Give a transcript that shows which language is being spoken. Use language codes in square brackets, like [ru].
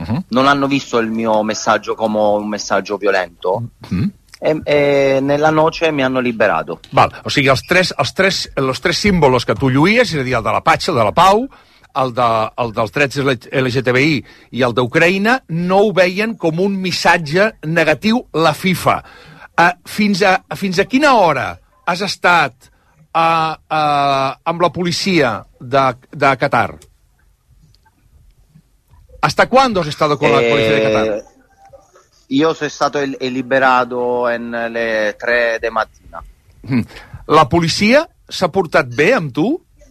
[it] Non hanno visto il mio messaggio come un messaggio violento. E nella [es] noche [it] mi hanno liberato. [ca] Val, o sigui, els tres símbols que tu lluïes, és a dir, el de la patxa, el de la pau, el dels drets LGTBI i el d'Ucraïna, no ho veien com un missatge negatiu la FIFA. Fins a quina hora has estat amb la policia de Qatar? [es] ¿Hasta cuándo has estado con la policía de Qatar? [it] Io sono stato liberato alle 3 di mattina. La polizia si è portata bene con tu?